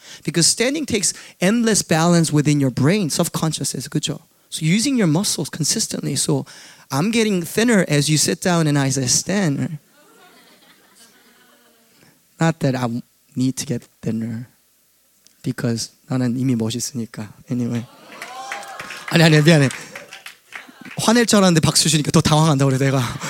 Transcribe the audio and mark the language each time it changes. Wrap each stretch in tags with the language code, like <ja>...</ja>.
<en>Because standing takes endless balance within your brain, subconsciousness,</en> <ko>그렇죠?</ko> <en>So using your muscles consistently. So I'm getting thinner as you sit down and as I stand. Not that I need to get thinner, because</en> <ko>나는 이미 멋있으니까. Anyway. 아니 아니 미안해. 화낼 줄 알았는데 박수 주니까 더 당황한다 그래 내가.</ko>